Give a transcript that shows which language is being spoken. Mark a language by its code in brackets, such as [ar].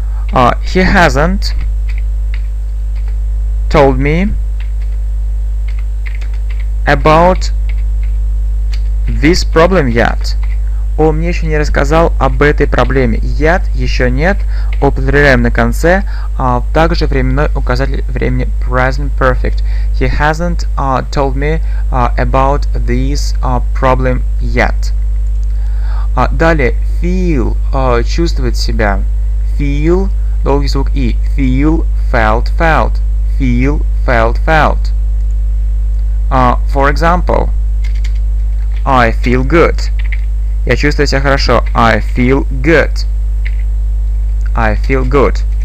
[en] He hasn't told me about this problem yet. [ru] Он мне еще не рассказал об этой проблеме. Yet еще нет. Употребляем на конце. Также временной указатель времени present perfect. [en] He hasn't told me about this problem yet. [ru] Далее feel чувствовать себя. [en] Feel [ru] долгий звук и [en] feel felt felt. Feel felt felt. For example, I feel good. [ru] Я чувствую себя хорошо. [en] I feel good. I feel good.